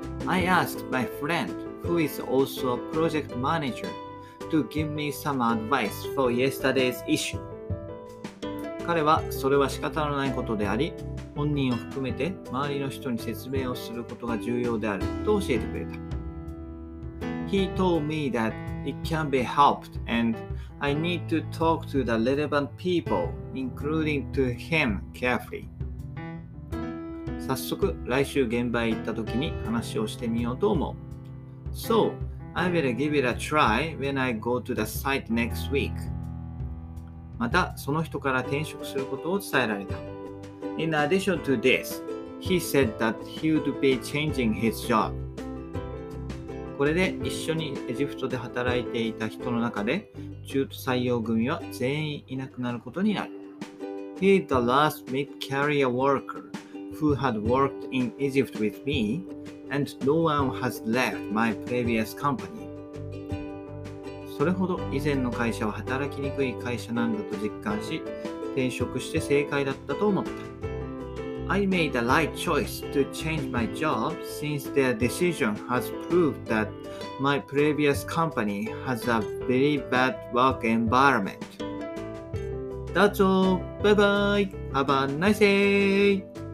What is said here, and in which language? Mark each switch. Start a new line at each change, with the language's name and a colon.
English: I asked my friend, who is also a project manager, to give me some advice for yesterday's issue.
Japanese: 彼は、それは仕方のないことであり、本人を含めて周りの人に説明をすることが重要であると教えてくれた。
English: He told me that it can be helped and I need to talk to the relevant people, including to him, carefully.
Japanese: 早速、来週現場へ行った時に話をしてみようと思う。
English: So, I will give it a try when I go to the site next week.
Japanese: また、その人から転職することを伝えられた。
English: In addition to this, he said that he would be changing his job.
Japanese: これで一緒にエジプトで働いていた人の中で、中途採用組は全員いなくなることになる。
English: He is the last mid-career worker who had worked in Egypt with me, and no one has left my previous company.
Japanese: それほど以前の会社は働きにくい会社なんだと実感し、転職して正解だったと思った。
English: I made the right choice to change my job since their decision has proved that my previous company has a very bad work environment. That's all. Bye bye. Have a nice day.